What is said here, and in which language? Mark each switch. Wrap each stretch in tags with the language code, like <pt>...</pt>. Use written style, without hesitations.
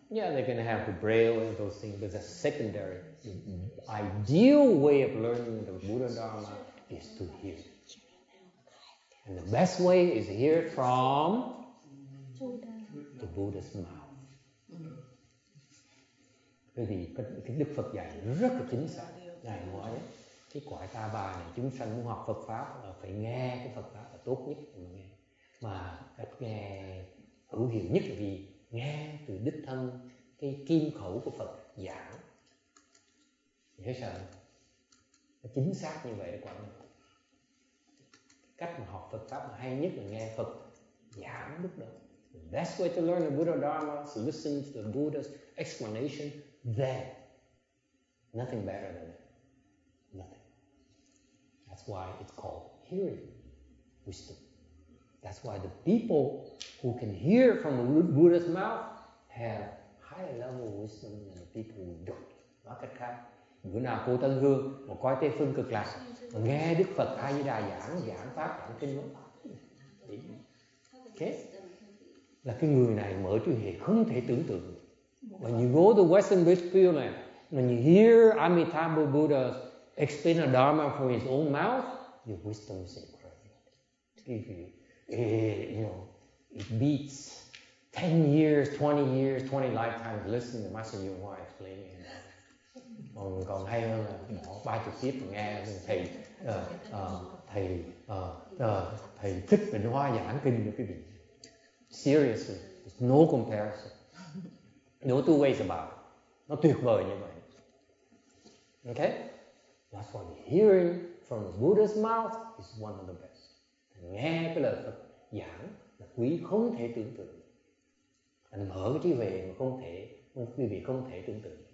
<en>Yeah, they can have the Braille and those things, but the secondary, ideal way of learning the Buddha Dharma is to hear. And the best way is to hear it from the Buddha's mouth.</en> <vi>Bởi vì cái Đức Phật dạy rất là chính xác. Ngài nói cái quả ta bà này, chúng sanh muốn học Phật Pháp là phải nghe cái Phật Pháp là tốt nhất mà nghe. Mà cách nghe hữu hiệu nhất là vì nghe từ đích thân cái kim khẩu của Phật giảng. Thì thấy sao? Nó chính xác như vậy đó quả này. Cách mà học Phật Pháp mà hay nhất là nghe Phật giảng lúc đó.</vi> <en>The best way to learn the Buddha Dharma is to listen to the Buddha's explanation there. Nothing better than that. Nothing. That's why it's called hearing wisdom. That's why the people who can hear from the Buddha's mouth have higher level of wisdom than the people who don't.</en> <vi>Nói cách khác, bữa nào cô Tân Hương mà coi Tây Phương Cực Lạc mà nghe Đức Phật A Di Đà giảng, giảng pháp, giảng kinh đó. Okay. Là cái người này mở trí hệ không thể tưởng tượng.</vi> <en>When you go to Western Bridgefield này, when you hear Amitabha Buddha explain the Dharma from his own mouth, your wisdom is incredible. It beats 10 years, 20 years, 20 lifetimes listening to Master Yuen Hua explaining it.</en> <vi>Còn hay hơn là bỏ 30 kiếp nghe thầy Thích Minh Hoa giảng kinh cho quý vị.</vi> <en>Seriously, there's no comparison. No two ways about it.</en> <vi>Nó tuyệt vời như vậy.</vi> <en>Okay? That's why hearing from the Buddha's mouth is one of the best.</en> <vi>Nghe cái lời Phật giảng là quý không thể tưởng tượng. Anh mở cái trí huệ mà không thể, quý vị không thể tưởng tượng.</vi>